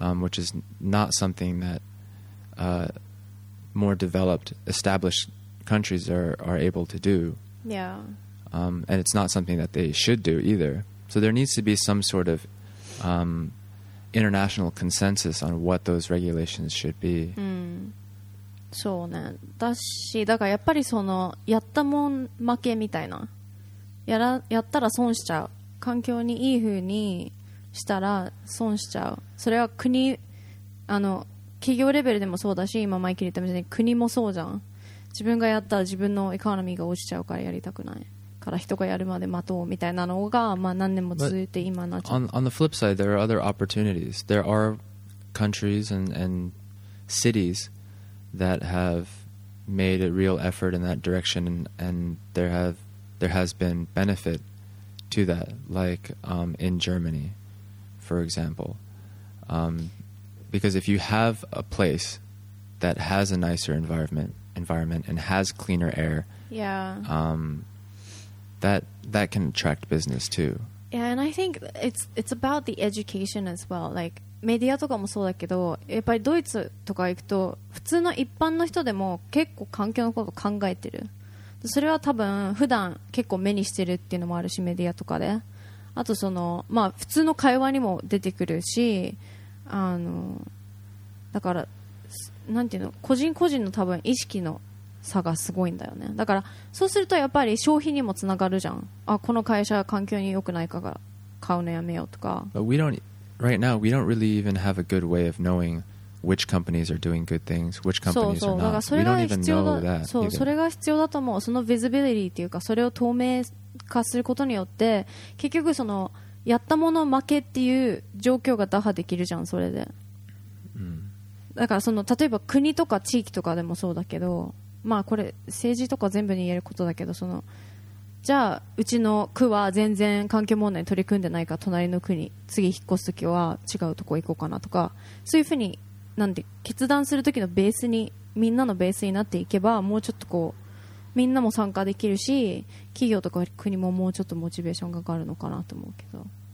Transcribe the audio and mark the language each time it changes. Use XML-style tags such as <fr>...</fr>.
<en>Which is not something that more developed, established countries are able to do. Yeah. And it's not something that they should do either. So there needs to be some sort of international consensus on what those regulations should be.</en> <ja>そうね。だし、だからやっぱりそのやったもん負けみたいな。やったら損しちゃう。環境にいい風にしたら損しちゃう。それは国、あの、企業レベルでもそうだし、今マイケル言ったみたいに国もそうじゃん。自分がやったら自分のエコノミーが落ちちゃうからやりたくないから人がやるまで待とうみたいなのが、まあ、何年も続いて今なっちゃう。</ja> <en>On the flip side, there are other opportunities. There are countries and cities that have made a real effort in that direction, and there has been benefit to that, like in Germany, for example. Because if you have a place that has a nicer environment and has cleaner air, that can attract business too. Yeah, and I think it's about the education as well.</en> <ja>Like, メディアとかもそうだけど、やっぱりドイツとか行くと普通の一般の人でも結構環境のこと考えてる。それは多分普段結構目にしてるっていうのもあるし、メディアとかで、あとその、まあ、普通の会話にも出てくるし、あの、だからなんていうの、個人個人の多分意識の差がすごいんだよね。だからそうするとやっぱり消費にもつながるじゃん。あ、この会社環境に良くないから買うのやめようとか。</ja> <en>But we don't, right now, we don't really even have a good way of knowing which companies are doing good things, which companies are not.</en> <ja>そうそう。だからそれが必要だ。そう、それが必要だと思う。そのビジビリティっていうか、それを透明化することによって、結局そのやったもの負けっていう状況が打破できるじゃん、それで。だからその例えば国とか地域とかでもそうだけど、まあ、これ政治とか全部に言えることだけど、そのじゃあうちの区は全然環境問題に取り組んでないか、隣の区に次引っ越すときは違うとこ行こうかなとか、そういうふうになんて決断するときのベースに、みんなのベースになっていけば、もうちょっとこうみんなも参加できるし、企業とか国ももうちょっとモチベーションが上がるのかなと思うけど。</ja>